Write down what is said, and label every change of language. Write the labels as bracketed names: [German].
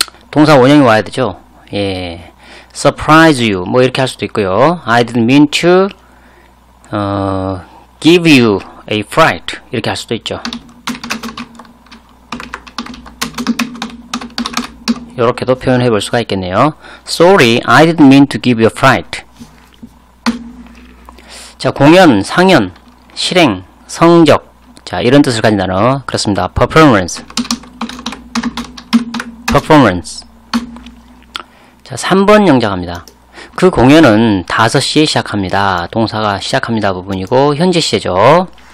[Korean] 동사원형이 와야 되죠. 예. [English] surprise you [Korean] 뭐 이렇게 할 수도 있고요. [English] I didn't mean to give you a fright [Korean] 이렇게 할 수도 있죠. 이렇게도 표현해 볼 수가 있겠네요. [English] Sorry, I didn't mean to give you a fright. [Korean] 자, 공연, 상연, 실행, 성적 자 이런 뜻을 가진 단어 그렇습니다. [English] performance, performance. [Korean] 자, 3번 영작합니다. 그 공연은 5시에 시작합니다. 동사가 시작합니다 부분이고 현재 시제죠.